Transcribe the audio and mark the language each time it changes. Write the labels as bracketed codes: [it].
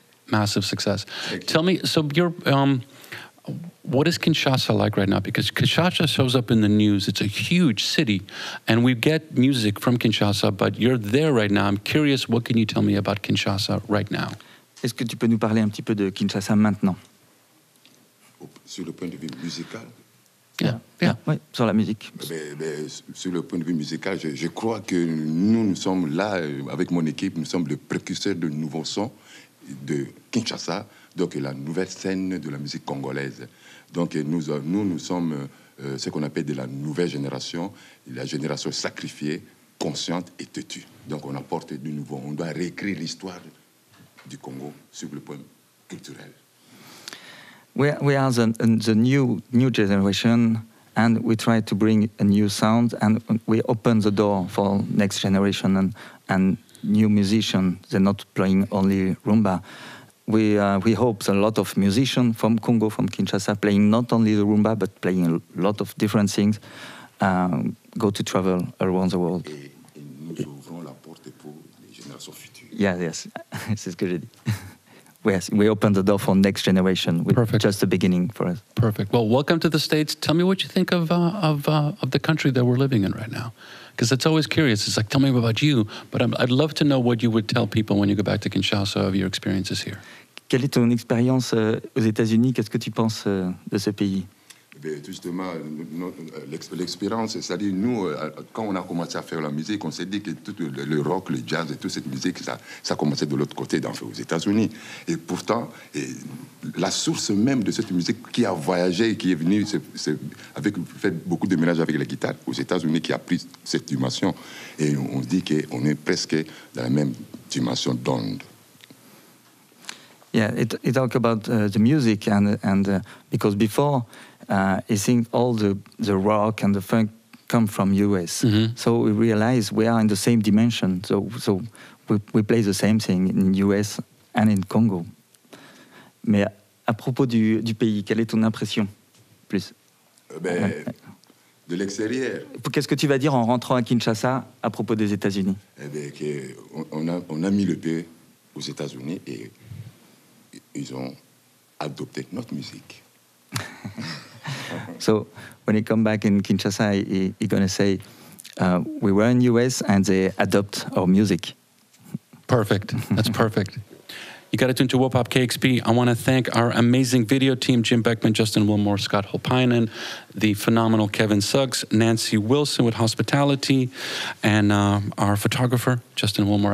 [en] Massive success. Tell me, so you're... what is Kinshasa like right now? Because Kinshasa shows up in the news. It's a huge city, and we get music from Kinshasa, but you're there right now. I'm curious, what can you tell me about Kinshasa right now? [fr] Est-ce que tu peux nous parler un petit peu de Kinshasa maintenant? Sur le point de vue musical? Yeah. Oui, sur la musique. Mais sur le point de vue musical, je crois que nous sommes là, avec mon équipe, nous sommes les précurseurs de nouveaux sons de Kinshasa, donc la nouvelle scène de la musique congolaise. Donc nous sommes ce qu'on appelle de la nouvelle génération, la génération sacrifiée, consciente et têtue. Donc on apporte du nouveau, on doit réécrire l'histoire du Congo sur le plan culturel. [en] We are the new generation, and we try to bring a new sound, and we open the door for next generation and new musicians. They're not playing only rumba. We hope a lot of musicians from Congo, from Kinshasa, playing not only the rumba, but playing a lot of different things, go to travel around the world. [fr] Et nous ouvrons la porte pour les générations futures. Yeah, yes, c'est ce que j'ai dit. [en] Yes, we opened the door for next generation. Perfect. Just the beginning for us. Perfect. Well, welcome to the States. Tell me what you think of the country that we're living in right now. Because it's always curious. It's like, tell me about you. But I'd love to know what you would tell people when you go back to Kinshasa of your experiences here. [fr] Quelle est ton expérience aux États-Unis? Qu'est-ce que tu penses de ce pays? Justement, l'expérience, c'est-à-dire nous, quand on a commencé à faire la musique, on s'est dit que tout le rock, le jazz et toute cette musique, ça commençait de l'autre côté, aux États-Unis. Et pourtant, la source même de cette musique qui a voyagé, qui est venue, fait beaucoup de mélanges avec la guitare, aux États-Unis, qui a pris cette dimension. Et on dit qu'on est presque dans la même dimension d'onde. [en] Yeah, it talk about the music and because before I think all the rock and the funk come from US. Mm-hmm. So we realize we are in the same dimension. So we play the same thing in US and in Congo. [fr] Mais à propos du pays, quelle est ton impression plus? De l'extérieur. Qu'est-ce que tu vas dire en rentrant à Kinshasa à propos des États-Unis? Eh bien, on a mis le pied aux États-Unis et ils ont adopté notre musique. [en] So when he come back in Kinshasa, he gonna say, "We were in US and they adopt our music." Perfect. That's perfect. You got to tune to Wopop KXP. I want to thank our amazing video team: Jim Beckmann, Justin Wilmore, Scott Holpainen, the phenomenal Kevin Suggs, Nancy Wilson with hospitality, and our photographer Justin Wilmore.